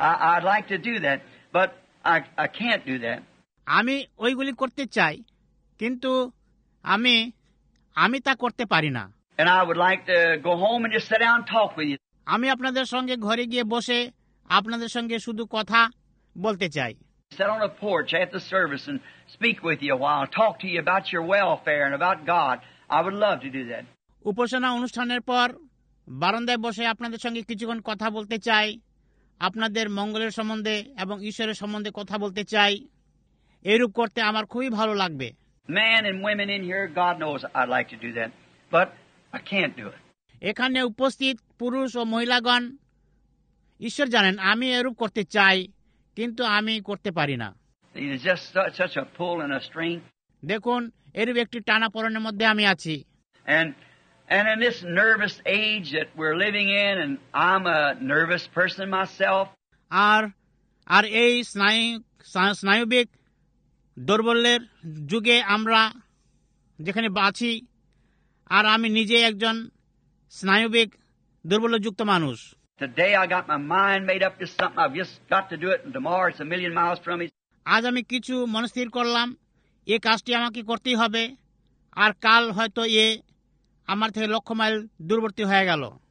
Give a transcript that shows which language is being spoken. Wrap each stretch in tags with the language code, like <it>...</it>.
<en>I'd like to do that, but I can't do that.</en> <bn>আমি ওইগুলি করতে চাই, কিন্তু আমি তা করতে পারি না।</bn> <en>And I would like to go home and just sit down and talk with you.</en> <bn>আমি আপনাদের সঙ্গে ঘরে গিয়ে বসে আপনাদের সঙ্গে শুধু কথা বলতে চাই।</bn> <en>Sit on a porch at the service and speak with you a while, talk to you about your welfare and about God. I would love to do that.</en> <bn>উপাসনা অনুষ্ঠানের পর বারান্দায় বসে আপনাদের সঙ্গে কিছুক্ষণ কথা বলতে চাই, আপনাদের মঙ্গলের সম্বন্ধে এবং ঈশ্বরের সম্বন্ধে কথা বলতে চাই, এরূপ করতে আমার খুবই ভালো লাগবে।</bn> <en>Man and women in here, God knows I'd like to do that, but I can't do it.</en> <bn>এখানে উপস্থিত পুরুষ ও মহিলাগণ, ঈশ্বর জানেন আমি এরূপ করতে চাই, কিন্তু আমি করতে পারি না।</bn> <en>It is just such a pull and a strain.</en> <bn>দেখুন, এরূপ একটি টানা পড়ানোর মধ্যে আমি আছি।</bn> <en>And in this nervous age that we're living in, and I'm a nervous person myself.</en> <bn>আর এই স্নায়ুবিক দুর্বলের যুগে আমরা যেখানে আছি, আর আমি নিজে একজন স্নায়ুবিক দুর্বলযুক্ত মানুষ।</bn> <en>Today I got my mind made up to something. I've just got to do it, and tomorrow it's a million miles from me.</en> <bn>আজ আমি কিছু মনস্থির করলাম, এ কাজটি আমাকে করতেই হবে, আর কাল হয়তো এ আমার থেকে লক্ষ মাইল দূরবর্তী হয়ে গেল।</bn>